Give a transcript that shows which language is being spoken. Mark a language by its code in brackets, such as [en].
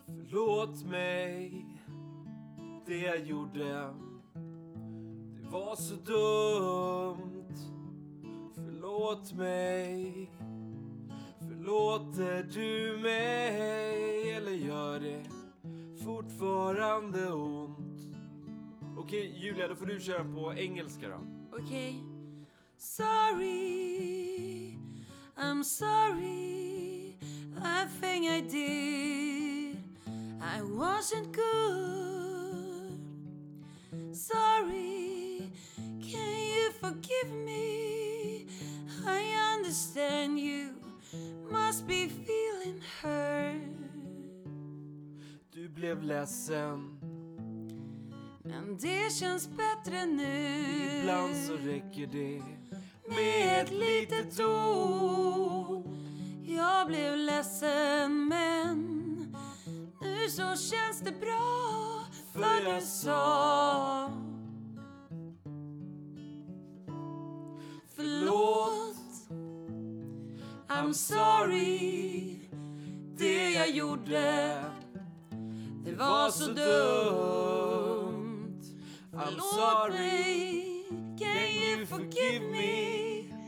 [sv] Låt mig, det jag gjorde, det var så dumt. Förlåt mig, förlåter du mig? Eller gör det fortfarande ont? Okej, Julia, då får du köra på engelska då. Okej. [en] Sorry, I'm sorry, I think I did, I wasn't good. Sorry, can you forgive me? I understand you must be feeling hurt. [sv] Du blev ledsen, men det känns bättre nu. Ibland så räcker det med ett litet ord. Jag blev ledsen, men nu så känns det bra. För du sa, förlåt, [en] I'm sorry, [sv] det jag gjorde, det var så dumt. [en] I'm sorry, can you forgive me?